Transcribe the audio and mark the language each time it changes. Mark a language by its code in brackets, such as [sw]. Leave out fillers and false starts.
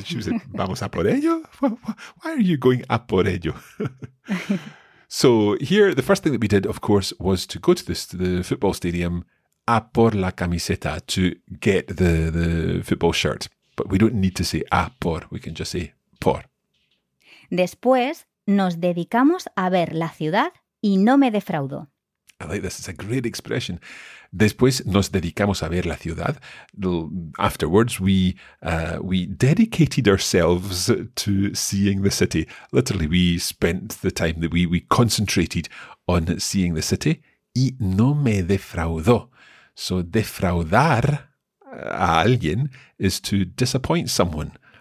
[en] She was like, [es] vamos a por ello? [en] Why are you going a por ello? So here, the first thing that we did, of course, was to go to the football stadium, [es] a por la camiseta, [en] to get the football shirt. But we don't need to say a por, we can just say por. [es] Después, nos dedicamos a ver la ciudad y no me defraudo. [en] I like this, it's a great expression. [es] Después, nos dedicamos a ver la ciudad. [en] Afterwards, we dedicated ourselves to seeing the city. Literally, we spent the time that we concentrated on seeing the city. [es] Y no me defraudó. So, defraudar a alguien [en] is to disappoint someone.